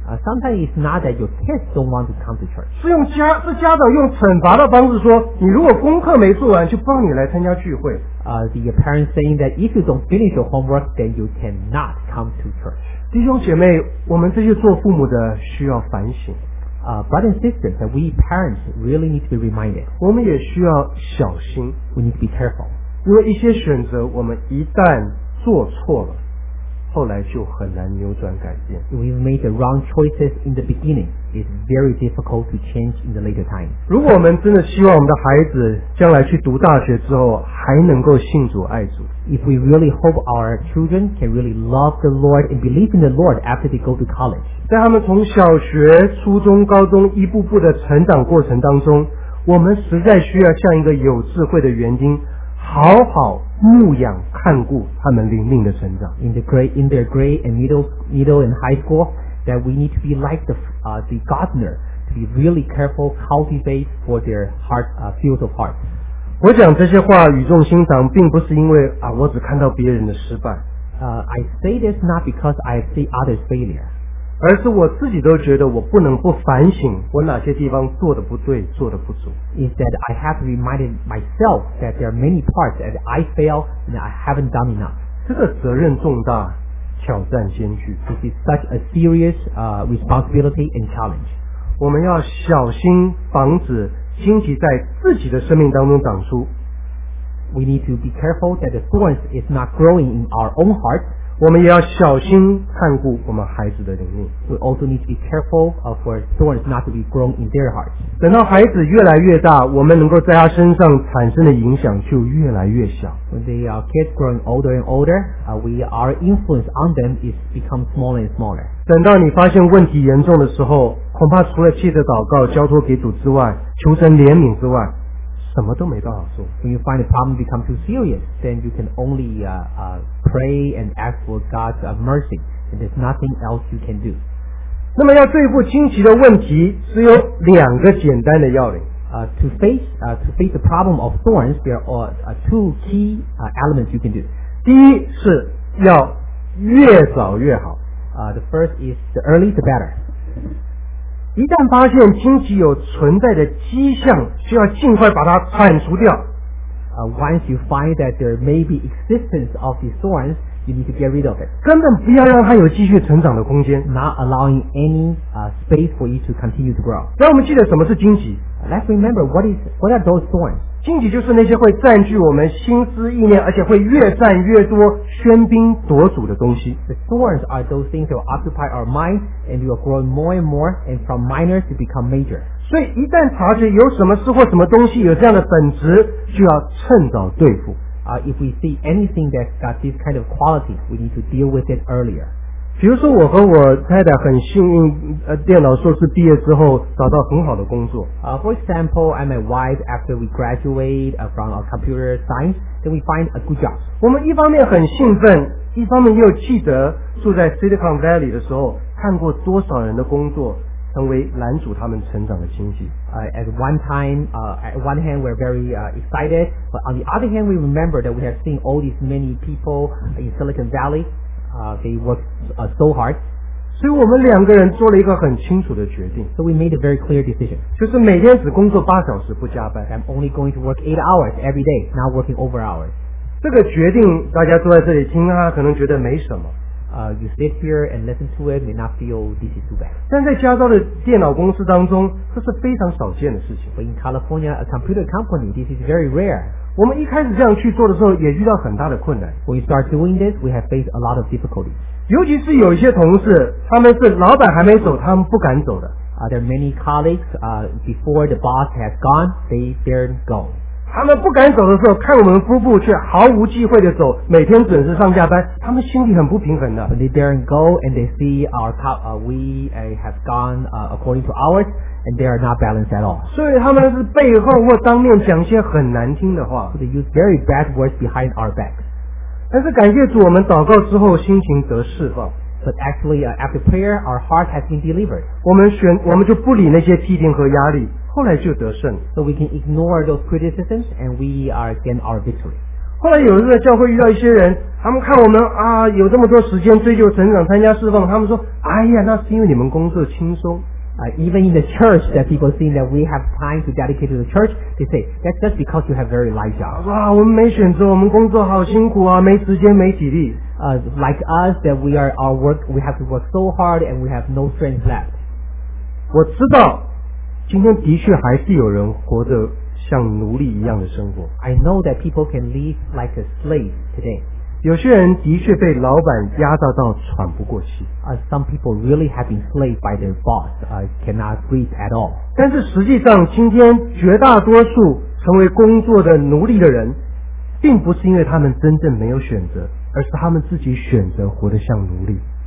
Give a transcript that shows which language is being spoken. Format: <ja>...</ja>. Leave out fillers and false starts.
<en>Sometimes it's not that your kids don't want to come to church.</en> <zh>是家长用惩罚的方式说，你如果功课没做完，就不让你来参加聚会。</zh> <en>The parents saying that if you don't finish your homework, then you cannot come to church.</en> <zh>弟兄姐妹，我们这些做父母的需要反省。</zh> <en>Brothers and sisters, that we parents really need to be reminded.</en> <zh>我们也需要小心。</zh> <en>We need to be careful.</en> <zh>因为一些选择，我们一旦做错了。后来就很难扭转改变。</zh> <en>We've made the wrong choices in the beginning. It's very difficult to change in the later time.</en> <zh>如果我们真的希望我们的孩子将来去读大学之后还能够信主爱主，</zh> <en>If we really hope our children can really love the Lord and believe in the Lord after they go to college.</en> <zh>在他们从小学、初中、高中一步步的成长过程当中，我们实在需要像一个有智慧的园丁好好牧养看顾他们灵命的成长。</zh> <en>In their grade and middle and high school, that we need to be like the gardener to be really careful, cultivate for their heart, field of heart.</en> <zh>我讲这些话语重心长，并不是因为啊，我只看到别人的失败。</zh> <en>I say this not because I see others' failure.</en> <zh>而是我自己都觉得我不能不反省我哪些地方做得不对，做得不足。</zh> <en>Is that I have reminded myself that there are many parts that I fail and I haven't done enough.</en> <zh>这个责任重大，挑战艰巨。</zh> <en>This is such a serious, responsibility and challenge.</en> <zh>我们要小心防止荆棘在自己的生命当中长出。</zh> <en>We need to be careful that the thorns is not growing in our own heart.</en> <zh>我们也要小心看顾我们孩子的灵命。</zh> <en>We also need to be careful for thorns not to be grown in their hearts.</en> <zh>等到孩子越来越大，我们能够在他身上产生的影响就越来越小。</zh> <en>When the kids growing older and older, our influence on them is become smaller and smaller.</en> <zh>等到你发现问题严重的时候，恐怕除了借着祷告交托给主之外，求神怜悯之外，什么都没办法做。</zh> <en>When you find the problem become too serious, then you can only pray and ask for God's mercy. And there's nothing else you can do.</en> <zh>那么要对付荆棘的问题，只有两个简单的要领。</zh> <en>To face the problem of thorns, there are two key elements you can do.</en> <zh>第一是要越早越好。</zh> <en>The first is the early the better.</en> <zh>一旦发现荆棘有存在的迹象，需要尽快把它铲除掉。</zh> <en>Once you find that there may be existence of the thorns, you need to get rid of it.</en> <zh>根本不要让它有继续成长的空间。</zh> <en>Not allowing any space for you to continue to grow.</en> <zh>让我们记得什么是荆棘。</zh> <en>Let's remember what are those thorns.</en> <zh>荆棘就是那些会占据我们心思意念，而且会越占越多、喧宾夺主的东西。</zh> <en>The thorns are those things that will occupy our mind, and we will grow more and more, and from minor to become major.</en> <zh>所以一旦察觉有什么事或什么东西有这样的本质，就要趁早对付。</zh> <en>If we see anything that's got this kind of quality, we need to deal with it earlier.</en> <zh>比如说我和我太太很幸运电脑硕士毕业之后找到很好的工作。</zh> <en>For example, I'm my wife after we graduate from a computer science, then we find a good job.</en> <zh>我们一方面很兴奋，一方面又记得住在 Silicon Valley 的时候看过多少人的工作成为拦阻他们成长的荆棘。</zh> <en>At one hand, we're very excited, but on the other hand, we remember that we have seen all these many people in Silicon Valley. They worked so hard.</en> <zh>所以我们两个人做了一个很清楚的决定。</zh> <en>So we made a very clear decision.</en> <zh>就是每天只工作八小时不加班。</zh> <en>I'm only going to work 8 hours every day, not working over hours.</en> <zh>这个决定大家坐在这里听啊，可能觉得没什么。</zh> <en>You sit here and listen to it, may not feel this is too bad.</en> <zh>但在加州的电脑公司当中，这是非常少见的事情。</zh> <en>But in California, a computer company, this is very rare.</en> <zh>我们一开始这样去做的时候也遇到很大的困难。</zh> <en>When we start doing this, we have faced a lot of difficulties.</en> <zh>尤其是有一些同事，他们是老板还没走，他们不敢走的。</zh> <en>There are many colleagues, before the boss has gone, they dare go.</en> <zh>他们不敢走的时候，看我们夫妇却毫无忌讳地走，每天准时上下班，他们心里很不平衡的。</zh> <en>They dare go and they see our top, we have gone, according to ours. And they are not balanced at all.</en> <zh>所以他们是背后或当面讲一些很难听的话。</zh> <en>They use very bad words behind our backs.</en> <zh>但是感谢主，我们祷告之后心情得释放。</zh> <en>But actually, after prayer, our heart has been delivered.</en> <zh>我们就不理那些批评和压力，后来就得胜。</zh> <en>So we can ignore those criticisms and we are gain our victory.</en> <zh>后来有一个教会遇到一些人，他们看我们啊有这么多时间追求成长、参加侍奉，他们说：“哎呀，那是因为你们工作轻松。”</zh> <en>Even in the church that people think that we have time to dedicate to the church, they say, that's just because you have very light job.</en> <zh>哇，我们没选择，我们工作好辛苦啊，没时间，没体力。</zh> <en>Like us, that we are our work, we have to work so hard and we have no strength left.</en> <zh>我知道，今天的确还是有人活着像奴隶一样的生活。</zh> <en>I know that people can live like a slave today.</en> <zh>有些人的确被老板压榨到喘不过气。</zh> <en>Some people really have been slaved by their boss, cannot breathe at all.</en> <zh>但是实际上今天绝大多数成为工作的奴隶的人，并不是因为他们真正没有选择，而是他们自己选择活得像奴隶。</zh>